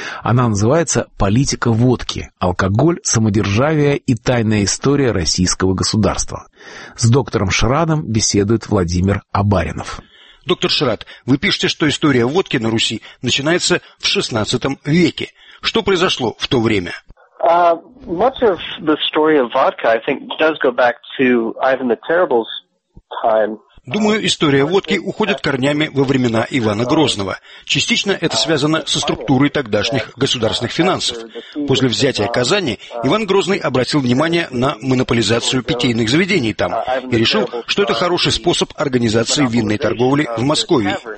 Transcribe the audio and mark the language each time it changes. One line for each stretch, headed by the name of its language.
Russian: Она называется «Политика водки. Алкоголь, самодержавие и тайная история российского государства». С доктором Шратом беседует Владимир Абаринов. Доктор Шрат, вы пишете, что история водки на Руси начинается в XVI веке. Что произошло в то время?
English: Much of the story of vodka, I think, does go back to Ivan the Terrible's time.
Russian: Думаю, история водки уходит корнями во времена Ивана Грозного. Частично это связано со структурой тогдашних государственных финансов. После взятия Казани Иван Грозный обратил внимание на монополизацию питейных заведений там и решил, что это хороший способ организации винной торговли в Москве.